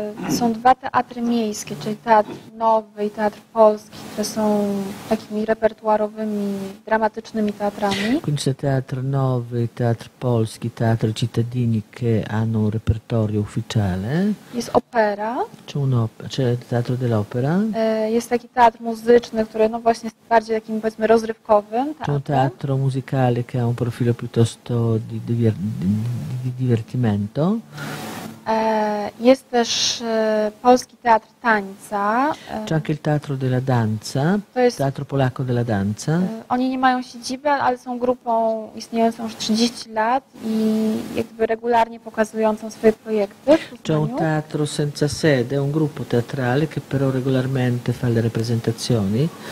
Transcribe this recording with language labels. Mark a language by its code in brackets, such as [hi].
[pl] Są dwa teatry miejskie, czyli Teatr Nowy i Teatr Polski, które są takimi repertuarowymi, dramatycznymi teatrami. [it] Quindi Teatr Nowy, Teatr Polski, Teatr Cittadini, che hanno un repertorio ufficiale. [pl] Jest opera. [it] C'è Teatr dell'Opera. [pl] Jest taki teatr muzyczny, który no właśnie jest bardziej takim powiedzmy rozrywkowym. [it] C'è un teatro musicale che ha un profilo piuttosto di divertimento. [pl] Jest też Polski Teatr Tańca. [it] C'è anche il Teatro della Danza, Teatro Polacco della Danza. [pl] Oni nie mają siedziby, ale są grupą istniejącą już 30 lat i jakby regularnie pokazującą swoje projekty. [it] C'è un teatro senza sede, un gruppo teatrale che però regolarmente fa le rappresentazioni.